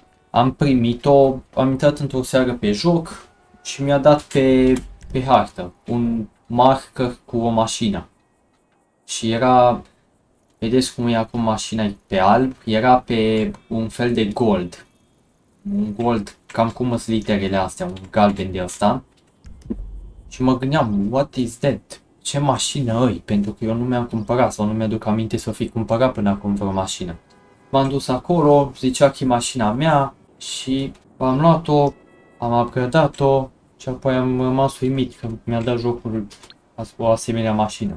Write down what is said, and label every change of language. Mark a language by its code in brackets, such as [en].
[ro] Am primit-o, am intrat într-o seară pe joc și mi-a dat pe hartă un marker cu o mașină. Și era, vedeți cum e acum mașina pe alb, era pe un fel de gold. Un gold, cam cum sunt literele astea, un galben de ăsta. Și mă gândeam, [en] what is that? [ro] Ce mașină e? Pentru că eu nu mi-am cumpărat sau nu mi-aduc aminte să fi cumpărat până acum vreo mașină. M-am dus acolo, zicea că e mașina mea și am luat-o, am upgradat-o și apoi am rămas uimit că mi-a dat jocul o asemenea mașină.